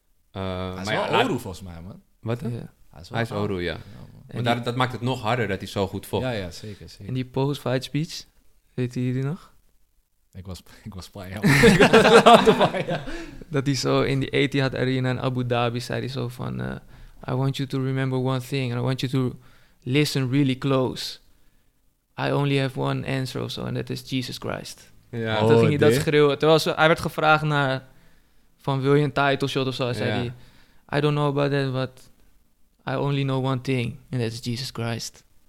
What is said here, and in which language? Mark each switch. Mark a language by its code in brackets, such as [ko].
[nl] Hij is wel Oru, volgens mij, man. Wat? Ja. Hij is Oru, ja. Maar dat maakt het nog harder dat hij zo goed vocht. Ja, zeker. En die post-fight speech, weten jullie nog? Ik was bij hem. Dat hij zo in de Etihad Arena in Abu Dhabi zei hij zo van... [en] I want you to remember one thing. And I want you to listen really close. I only have one answer [nl] of zo. [en] And that is Jesus Christ. [nl] Ja. Toen ging hij dat schreeuwen. Terwijl hij werd gevraagd naar... Van wil je een title shot of zo? Hij zei hij... [en] I don't know about that, but... I only know one thing. And that is Jesus Christ.